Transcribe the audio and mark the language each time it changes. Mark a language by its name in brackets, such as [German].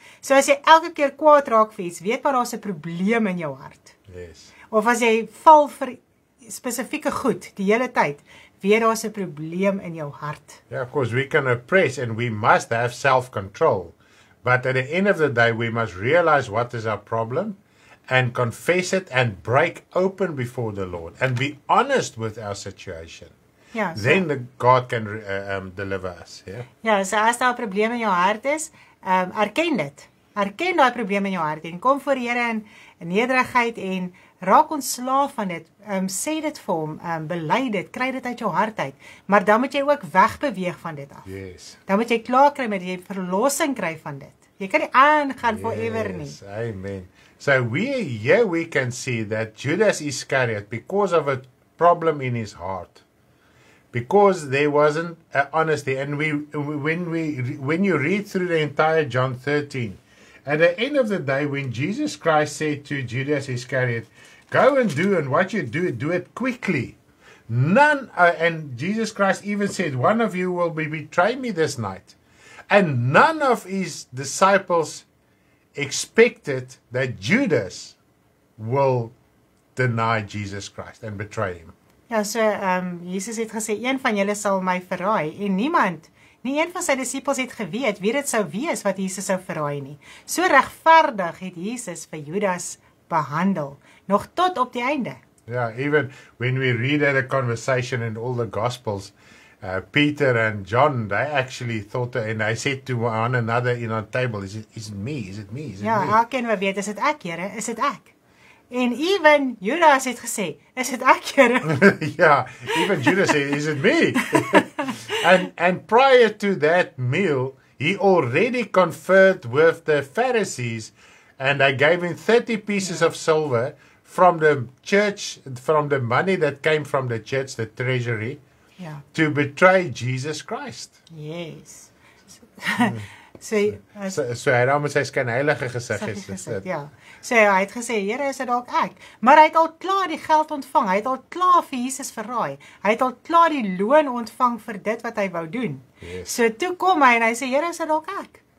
[Afrikaans] So as jy elke keer kwaad raak vir iets, weet maar daar's 'n probleem in jou hart. [English] Yes. [Afrikaans] Of as jy val vir spesifieke goed die hele tyd, weet daar's 'n probleem in jou hart. [English] Yeah, of course, we can oppress and we must have self-control. But at the end of the day, we must realize what is our problem and confess it and break open before the Lord and be honest with our situation. Yeah, so, then the God can deliver us. Yeah? [Afrikaans] Yeah, so as daar 'n probleem in jou hart is, erken dit. Erken daai probleem in jou hart en kom voor die Here in nederigheid en raak ontslaaf van dit. Sê dit vir hom, bely dit, kry dit uit jou hart uit. Maar dan moet jy ook wegbeweeg van dit af. [English] Yes. [Afrikaans] Dan moet jy klaar kry met jy verlossing kry van dit. Jy kan nie aangaan forever nie. [English] Yes, amen. So we can see that Judas Iscariot, because of a problem in his heart, because there wasn't honesty, and when you read through the entire John 13, at the end of the day, when Jesus Christ said to Judas Iscariot, go and do, and what you do it quickly. And Jesus Christ even said, one of you will betray me this night. And none of his disciples expected that Judas will deny Jesus Christ and betray him. [Afrikaans] Ja, so, Jesus het gesê, een van julle sal my verraai, en niemand, nie een van sy disciples het geweet, wie dit sou wees, wat Jesus sou verraai nie. So regverdig het Jesus vir Judas behandel, nog tot op die einde. [English] Ja, even when we read at a conversation in all the Gospels, Peter and John, they actually thought, and they said to one another in our table, is it me? [Afrikaans] Ja, hoe ken we weet, is het ek, Here, is het ek? En even Judas het gesê, is het ek, Here? [English] Ja, even Judas said, is it me? and prior to that meal, he already conferred with the Pharisees and they gave him 30 pieces of silver from the church, from the money that came from the church, the treasury, to betray Jesus Christ. Yes. [Afrikaans] So hy het almal sy skynheilige gesig is dit. Ja. So hy het gesê, Here, is dit dalk ek? Maar hy het al klaar die geld ontvang. Hy het al klaar vir Jesus verraai. Hy het al klaar die loon ontvang vir dit wat hy wou doen. [English] Yes. [Afrikaans] So toe kom hy en hy sê, Here, is dit dalk ek?